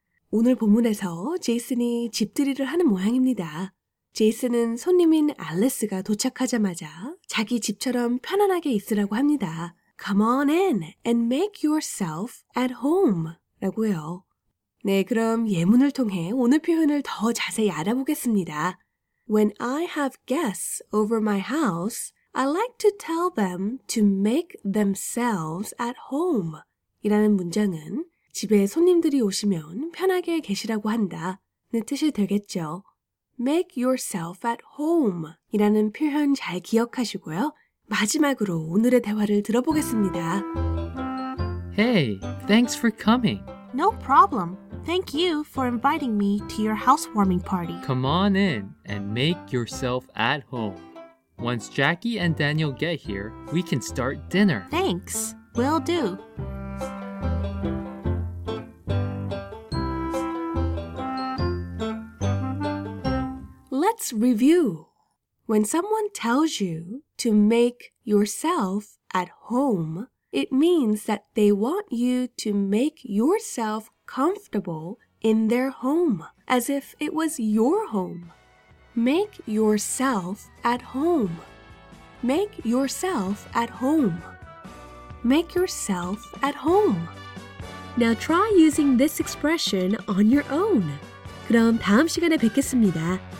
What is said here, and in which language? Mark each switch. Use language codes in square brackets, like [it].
[ko] 오늘 본문에서 제이슨이 집들이를 하는 모양입니다. 제이슨은 손님인 알리스가 도착하자마자 자기 집처럼 편안하게 있으라고 합니다. [en] Come on in and make yourself at home [ko] 라고요. 네, 그럼 예문을 통해 오늘 표현을 더 자세히 알아보겠습니다. [en] When I have guests over my house, I like to tell them to make themselves at home [ko] 이라는 문장은 집에 손님들이 오시면 편하게 계시라고 한다 는 뜻이 되겠죠. [en] Make yourself at home [ko] 이라는 표현 잘 기억하시고요. 마지막으로 오늘의 대화를 들어보겠습니다. [en] Hey, thanks for coming. No problem. Thank you for inviting me to your housewarming party. Come on in and make yourself at home. Once Jackie and Daniel get here, we can start dinner. Thanks. Will do. Let's review. When someone tells you to make yourself at home, it means that they want you to make yourself comfortable in their home, as if it was your home. Make yourself at home. Make yourself at home. Make yourself at home. Now try using this expression on your own. [ko] 그럼 다음 시간에 뵙겠습니다.